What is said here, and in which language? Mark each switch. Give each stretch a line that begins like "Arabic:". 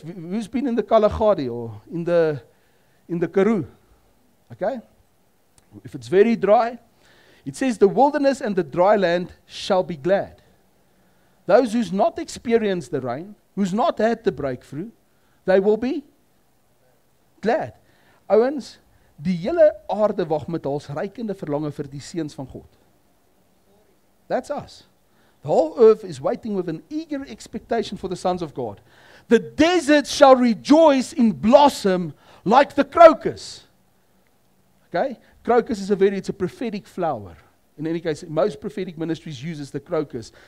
English: Who's been in the Kalahari or in the Karoo? Okay? If it's very dry, it says the wilderness and the dry land shall be glad. Those who's not experienced the rain, who's not had the breakthrough, they will be glad.
Afrikaans: Ouens, die hele aarde wag met ons reikende verlange vir die seuns van God.
English: That's us. The whole earth is waiting with an eager expectation for the sons of God. The desert shall rejoice in blossom like the crocus. Okay? Crocus is it's a prophetic flower. In any case, most prophetic ministries uses the crocus.